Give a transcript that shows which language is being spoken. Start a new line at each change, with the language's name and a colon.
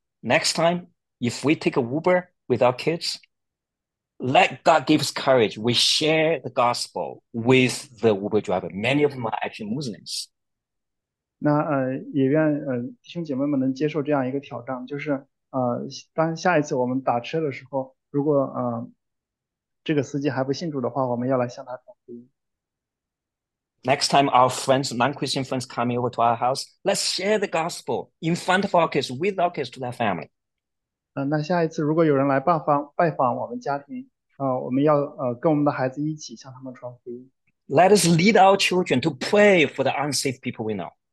English: Next time, if we take a Uber with our kids, let God give us courage. We share the gospel with the Uber driver. Many of them are actually Muslims.
Chinese: 那也愿弟兄姐妹们能接受这样一个挑战，就是当下一次我们打车的时候，如果这个司机还不信主的话，我们要来向他传福音。
English: Next time our friends, non-Christian friends come over to our house, let's share the gospel in front of our kids, with our kids to their family.
Chinese: 那下一次如果有人来拜访我们家庭。我们要跟我们的孩子一起向他们传福音。
English: Let us lead our children to pray for the unsafe people we know.